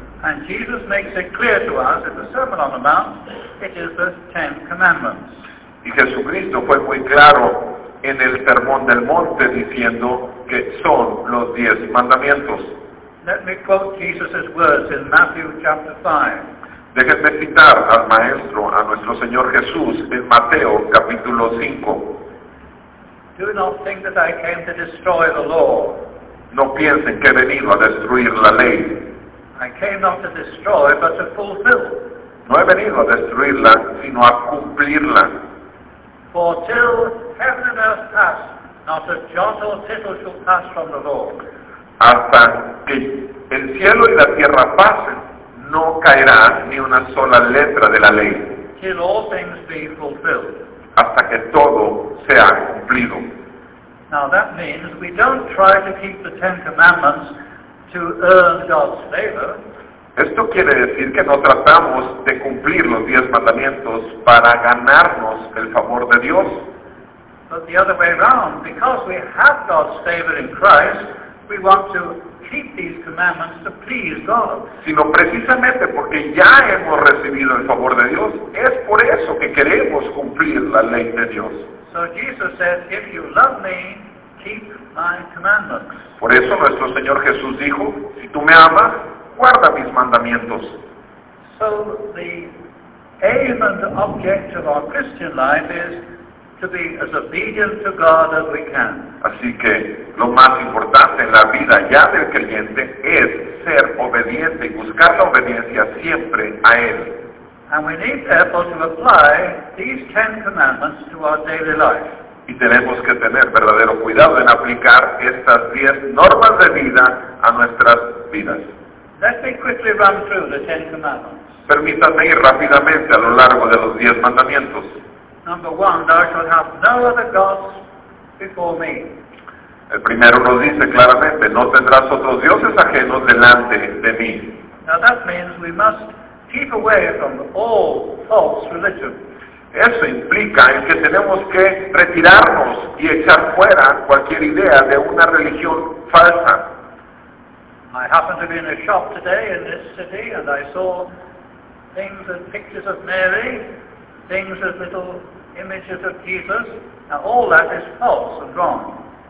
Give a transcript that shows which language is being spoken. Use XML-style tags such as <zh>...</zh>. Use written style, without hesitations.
<en>And Jesus makes it clear to us in the Sermon on the Mount, it is the Ten Commandments.</en> <es>Y Jesucristo fue muy claro en el Sermón del Monte diciendo que son los 10 mandamientos.</es> <en>Let me quote Jesus' words in Matthew chapter 5.</en> <es>Déjenme citar al Maestro, a nuestro Señor Jesús, en Mateo capítulo 5.</es> <en>Do not think that I came to destroy the law.</en> <es>No piensen que he venido a destruir la ley.</es> <en>I came not to destroy, but to fulfill.</en> <es>No he venido a destruirla, sino a cumplirla.</es> <en>For till heaven and earth pass, not a jot or tittle shall pass from the law.</en> <es>Hasta que el cielo y la tierra pasen, no caerá ni una sola letra de la ley.</es> <en>Till all things be fulfilled.</en> <es>Hasta que todo sea cumplido.</es> <en>Now that means we don't try to keep the Ten Commandments to earn God's favor.</en> <es>Esto quiere decir que no tratamos de cumplir los 10 mandamientos para ganarnos el favor de Dios.</es> <en>But the other way around, because we have God's favor in Christ, we want to keep these commandments to please God.</en> <es>Sino precisamente porque ya hemos recibido el favor de Dios, es por eso que queremos cumplir la ley de Dios.</es> <en>So Jesus said, if you love me, keep my commandments.</en> <es>Por eso nuestro Señor Jesús dijo, si tú me amas, guarda mis mandamientos.</es> <en>So the aim and object of our Christian life is to be as obedient to God as we can.</en> <es>Así que lo más importante en la vida ya del creyente es ser obediente y buscar la obediencia siempre a Él.</es> <en>And we need therefore to apply these Ten Commandments to our daily life.</en> <es>Y tenemos que tener verdadero cuidado en aplicar estas 10 normas de vida a nuestras vidas.</es> <en>Let me quickly run through the Ten Commandments.</en> <es>Permítanme ir rápidamente a lo largo de los 10 mandamientos.</es> <en>Number one, thou shalt have no other gods before me.</en> <es>El primero nos dice claramente, no tendrás otros dioses ajenos delante de mí.</es> <en>Now that means we must keep away from all false religion.</en> <es>Eso implica en que tenemos que retirarnos y echar fuera cualquier idea de una religión falsa.</es> <en>I happened to be in a shop today in this city and I saw things and pictures of Mary. Things as little images of Jesus. Now all that is false and wrong.</en>